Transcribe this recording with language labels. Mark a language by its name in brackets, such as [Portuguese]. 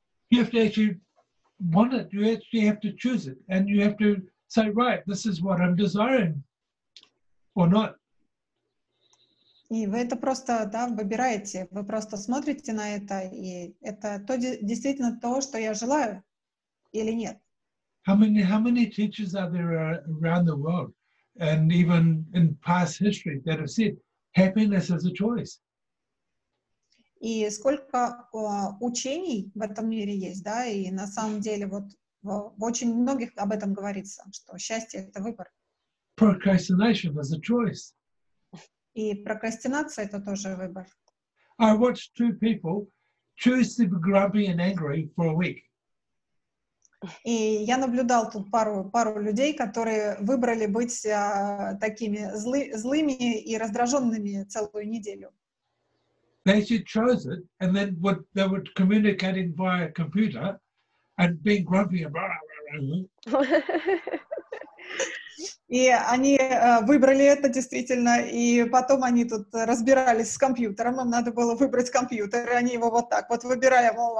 [English] You have to actually want it, you actually have to choose it, and you have to say, right, this is what I'm desiring, or not. [Russian] И вы это просто, да, выбираете, вы просто смотрите на это, и это то, действительно то, что я желаю, или нет. [English] How many teachers are there around the world, and even in past history, that have said, happiness is a choice? [Russian] И сколько учений в этом мире есть, да, и на самом деле вот в очень многих об этом говорится, что счастье — это выбор. [English] Procrastination is a choice. [Russian] И прокрастинация — это тоже выбор. [English] I watched two people choose to be grumpy and angry for a week. [Russian] И я наблюдал тут пару людей, которые выбрали быть такими злыми и раздраженными целую неделю. [English] they just chose it, and then what they were communicating via computer and being grumpy about it. [Russian] И они выбрали это действительно, и потом они тут разбирались с компьютером, им надо было выбрать компьютер, и они его вот так вот выбирали.